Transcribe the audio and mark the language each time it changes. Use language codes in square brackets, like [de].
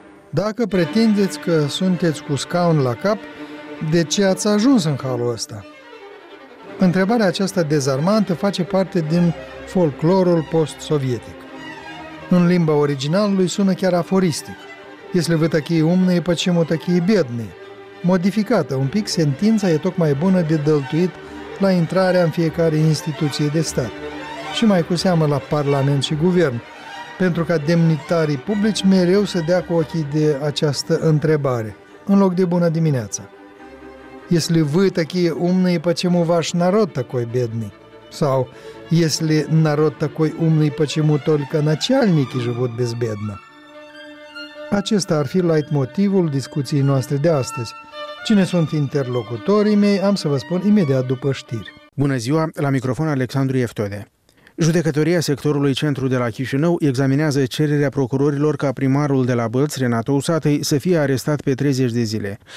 [ro] Dacă pretindeți că sunteți cu scaun la cap, de ce ați ajuns în halul ăsta? Întrebarea aceasta dezarmantă face parte din folclorul post-sovietic. În limba originalului sună chiar aforistic. [ru] Если вы такие умные, почему такие бедные? [ro] Modificată un pic, sentința e tocmai bună de dăltuit la intrarea în fiecare instituție de stat. Și mai cu seamă la parlament și guvern, pentru ca demnitarii publici mereu să dea cu ochii de această întrebare, în loc de bună dimineața. [ru] Если вы такие умные, почему ваш народ такой бедный? Sau, если народ такой умный, почему только начальники живут безбедно? [ro] Acesta ar fi leitmotivul discuției noastre de astăzi. Cine sunt interlocutorii mei, am să vă spun imediat după știri. Bună ziua, la microfon Alexandru Ieftode. Judecătoria sectorului centru de la Chișinău examinează cererea procurorilor ca primarul de la Bălț, Renato Usatăi, să fie arestat pe 30 de zile.